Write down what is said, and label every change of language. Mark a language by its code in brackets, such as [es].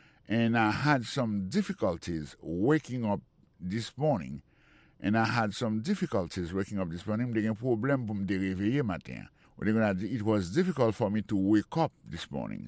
[en] And I had some difficulties waking up this morning. [fr] J'ai eu un problème pour me réveiller matin. [en] It was difficult for me to wake up this morning.